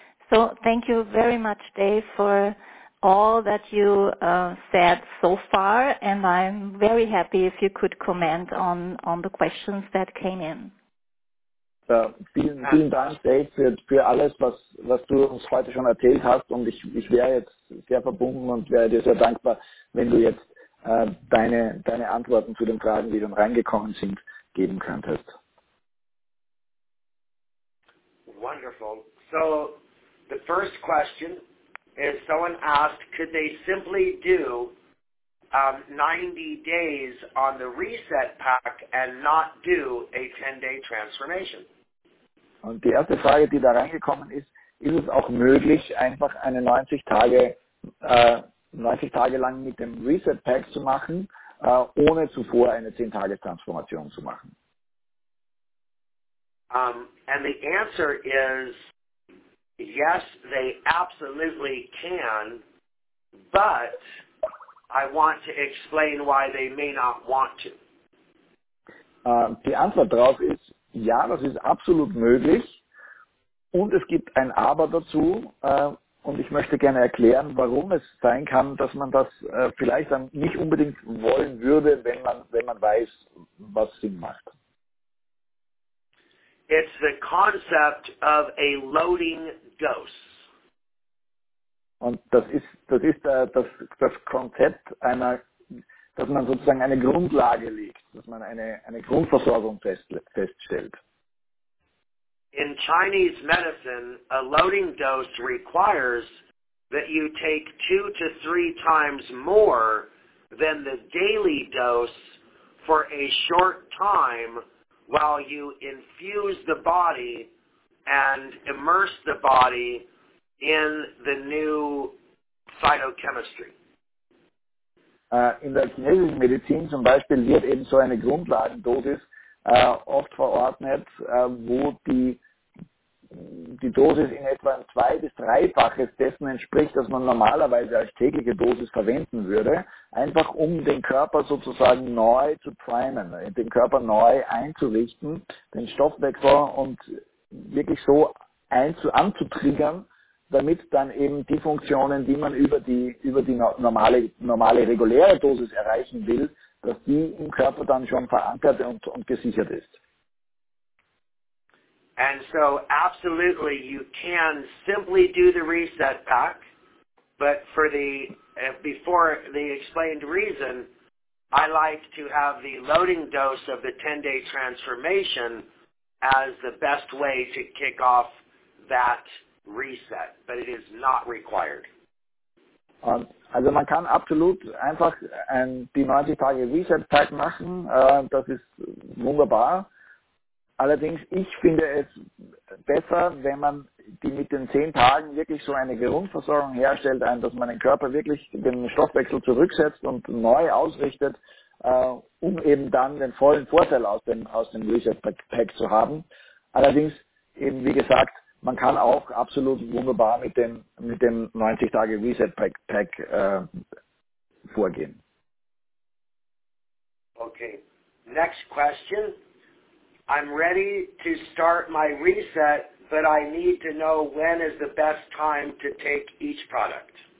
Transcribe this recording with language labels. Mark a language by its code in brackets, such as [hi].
[en] So thank you very much, Dave, for all that you said so far, and I'm very happy if you could comment on the questions that came in. [de] Vielen Dank, Dave, für alles, was du uns heute schon erzählt hast, und ich wäre jetzt sehr verbunden und wäre dir sehr dankbar, wenn du jetzt deine Antworten zu den Fragen, die dann reingekommen sind, geben könntest. [en] Wonderful. So the first question is, someone asked, could they simply do 90 days on the reset pack and not do a 10-day transformation? [de] Und die erste Frage, die da reingekommen ist, ist es auch möglich, einfach eine 90 Tage lang mit dem Reset Pack zu machen, ohne zuvor eine 10-Tage-Transformation zu machen? [en] And the answer is, yes, they absolutely can, but I want to explain why they may not want to. [de] Die Antwort darauf ist, ja, das ist absolut möglich, Und es gibt ein Aber dazu, und ich möchte gerne erklären, warum es sein kann, dass man das vielleicht dann nicht unbedingt wollen würde, wenn man weiß, was Sinn macht. [en] It's the concept of a loading dose. [de] Und das ist das Konzept einer, dass man sozusagen eine Grundlage legt, dass man eine Grundversorgung feststellt. [en] In Chinese medicine, a loading dose requires that you take 2 to 3 times more than the daily dose for a short time while you infuse the body and immerse the body in the new phytochemistry. [de] In der chinesischen Medizin zum Beispiel wird eben so eine Grundlagendosis oft verordnet, wo die Dosis in etwa ein 2- bis 3-faches dessen entspricht, das man normalerweise als tägliche Dosis verwenden würde, einfach um den Körper sozusagen neu zu primen, den Körper neu einzurichten, den Stoffwechsel und wirklich so anzutriggern, damit dann eben die Funktionen, die man über die normale reguläre Dosis erreichen will, dass die im Körper dann schon verankert und gesichert ist. [en] And so absolutely you can simply do the reset pack, but for the before the explained reason, I like to have the loading dose of the 10-day transformation as the best way to kick off that reset, but it is not required. [de] Also man kann absolut einfach die 90-Tage Reset Pack machen, das ist wunderbar. Allerdings, ich finde es besser, wenn man die mit den 10 Tagen wirklich so eine Grundversorgung herstellt, dass man den Körper wirklich den Stoffwechsel zurücksetzt und neu ausrichtet, um eben dann den vollen Vorteil aus dem Reset-Pack zu haben. Allerdings, eben wie gesagt, man kann auch absolut wunderbar mit dem 90-Tage Reset-Pack vorgehen. [en] Okay, next question. I'm ready to start my reset, but I need to know when is the best time to take each product.